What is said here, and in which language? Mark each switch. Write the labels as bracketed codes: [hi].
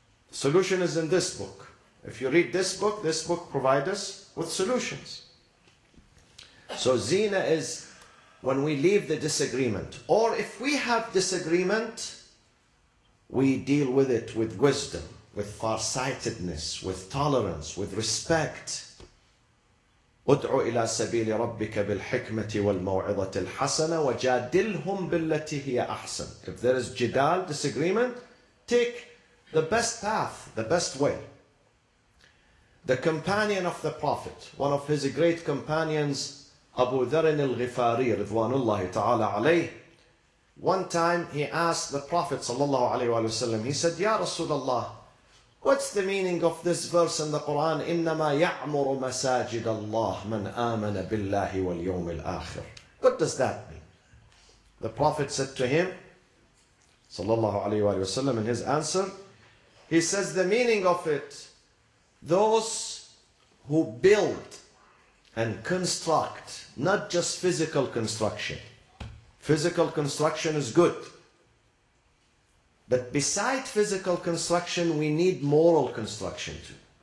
[en] Solution is in this book. If you read this book provides us with solutions. So zina is when we leave the disagreement. Or if we have disagreement, we deal with it with wisdom, with farsightedness, with tolerance, with respect. [ar] ادعو إلى سبيل ربك بالحكمة والموعظة الحسنة وجادلهم بالتي هي أحسن. [en] If there is jidal, disagreement, take the best path, the best way. The companion of the Prophet, one of his great companions, Abu Dharr al-Ghifari, [ar] رضوان الله تعالى عليه, [en] one time he asked the Prophet [ar] صلى الله عليه وسلم, [en] he said, [ar] يا رسول الله, [en] What's the meaning of this verse in the Quran? [ar] إِنَّمَا يَعْمُرُ مَسَاجِدَ اللَّهِ مَنْ آمَنَ بِاللَّهِ وَالْيَوْمِ الْآخِرِ [en] What does that mean? The Prophet said to him, [ar] صلى الله عليه وآله وسلم, [en] in his answer, he says the meaning of it, those who build and construct, not just physical construction. Physical construction is good. But beside physical construction, we need moral construction too.